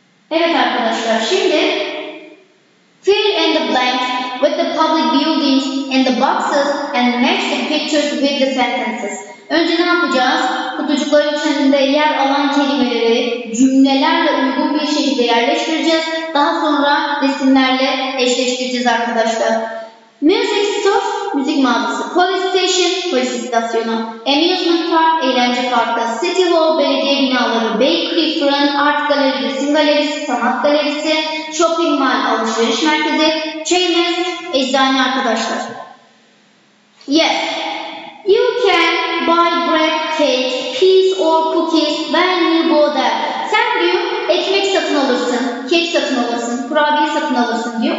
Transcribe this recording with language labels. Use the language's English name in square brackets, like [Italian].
[English] Evet arkadaşlar, şimdi fill in the blanks with the public buildings and the boxes and match the pictures with the sentences. [Turkish] Önce ne yapacağız? Kutucukların içerisinde yer alan kelimeleri cümlelerle uygun bir şekilde yerleştireceğiz. Daha sonra resimlerle eşleştireceğiz arkadaşlar. Music store, müzik mağazası. Police station, polis istasyonu. Amusement park, eğlence parkı. City hall, belediye binaları. Bakery, front, art galeri, resim galerisi, sanat galerisi. Shopping mall, alışveriş merkezi. Chambers, eczane arkadaşlar. [English] Yes, you can buy bread, cakes, peas or cookies when you go there. [Turkish] Sen diyor, ekmek satın alırsın, kek satın alırsın, kurabiye satın alırsın diyor.